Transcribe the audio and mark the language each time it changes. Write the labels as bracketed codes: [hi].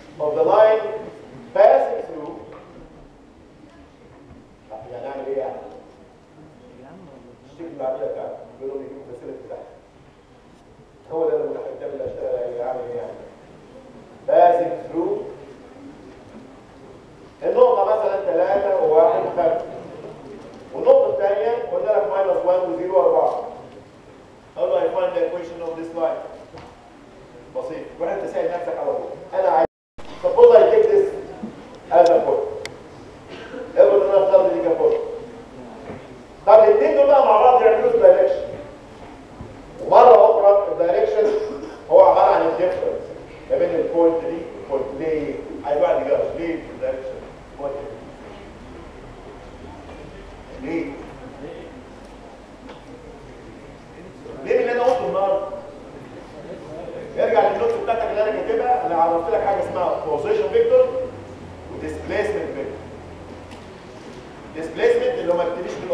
[en] Of the line passing through [ar] يعني هنعمل ايه يعني؟ اشتكي بعديها تعالى بيقولوا لي يجيبوا فاسيلتي تحت. هو ده اللي انا حكيت اللي اشتغل عليه يعمل ايه يعني؟ [en] passing through [ar] النقطة مثلا 3 و1 و5 والنقطة الثانية قلنا لك ماينس 1 و0 و4. [en] How do I find the equation of this line? [ar] بسيط، روح انت سائل نفسك على طول. انا عايز [en] suppose I take this as a point. [ar] افرض ان انا اختار دي كبوينت. طب الاثنين دول بقى مع بعض يعملوا دايركشن. ومره اخرى الدايركشن هو عباره عن الديفرنس ما بين البوينت دي والبوينت دي. عايز واحد يجرب ليه في الدايركشن؟ ليه؟ ليه اللي انا قلته النهارده؟ ارجع للنوت بتاعتك اللي انا كاتبها، انا عرضت لك حاجه اسمها بوزيشن فيكتور وديسبيسمنت فيكتور. ديسبيسمنت اللي هو ما بتمشيش من